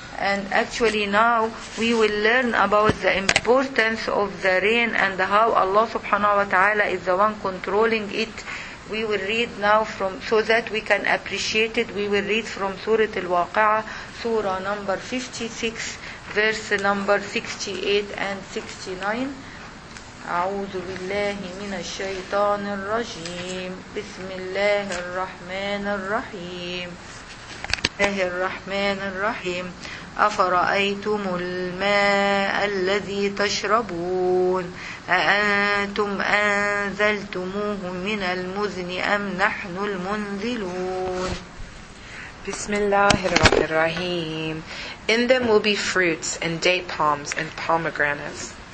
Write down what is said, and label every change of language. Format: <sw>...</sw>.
<en>And actually now we will learn about the importance of the rain and how Allah subhanahu wa ta'ala is the one controlling it. We will read now from, so that we can appreciate it, we will read from Surah Al-Waqi'ah, Surah number 56, verse number 68 and 69.</en> <ar>أعوذ بالله من الشيطان الرجيم بسم الله الرحمن الرحيم الله الرحمن الرحيم أفرأيتم الماء الذي تشربون أأنتم أنزلتموه من المزن أم نحن المنزلون. Bismillahirrahmanirrahim.</ar> <en>In them will be fruits and date palms and pomegranates.</en>